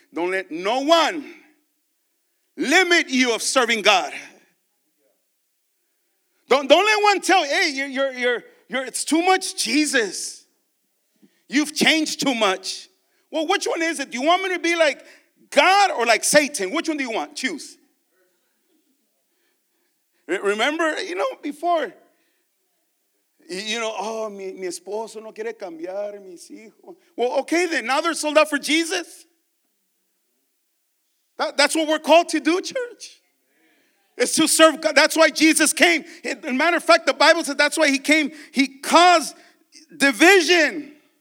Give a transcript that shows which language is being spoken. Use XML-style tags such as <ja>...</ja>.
<en>Don't let no one limit you of serving God. Don't let one tell you, hey, you're it's too much Jesus. You've changed too much. Well, which one is it? Do you want me to be like God or like Satan? Which one do you want? Choose. Remember, you know, before, you know, oh,</en> <es>mi esposo no quiere cambiar, mis hijos.</es> <en>Well, okay then, now they're sold out for Jesus. That's what we're called to do, church. It's to serve God. That's why Jesus came. As a matter of fact, the Bible says that's why he came. He caused division.</en>